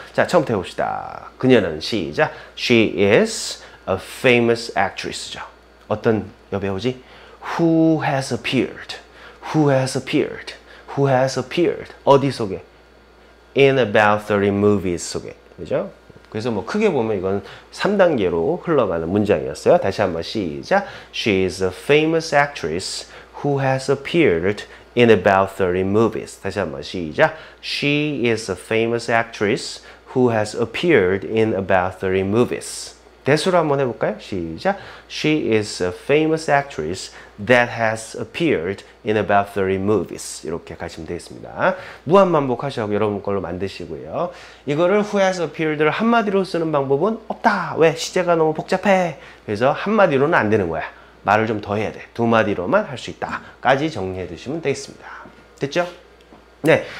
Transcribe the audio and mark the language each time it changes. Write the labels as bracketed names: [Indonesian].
[Korean] 자, 처음부터 해봅시다. 그녀는 시작. [English] She is a famous actress [Korean] 죠. 어떤 여배우지? [English] Who has appeared? Who has appeared? Who has appeared? 어디 속에? In about 30 movies 속에. 그죠? [Korean] 그래서 뭐 크게 보면 이건 3단계로 흘러가는 문장이었어요. 다시 한번 시작. [English] She is a famous actress who has appeared in about 30 movies. [Korean] 다시 한번 시작. [English] She is a famous actress who has appeared in about 30 movies. [Korean] 대수로 한번 해볼까요? 시작. [English] She is a famous actress that has appeared in about 30 movies. [Korean] 이렇게 가시면 되겠습니다. 무한반복 하셔서 여러분 걸로 만드시고요. 이거를 who has appeared를 한마디로 쓰는 방법은 없다. 왜? 시제가 너무 복잡해. 그래서 한마디로는 안 되는 거야. 말을 좀 더 해야 돼. 두 마디로만 할 수 있다. 까지 정리해 두시면 되겠습니다. 됐죠? 네.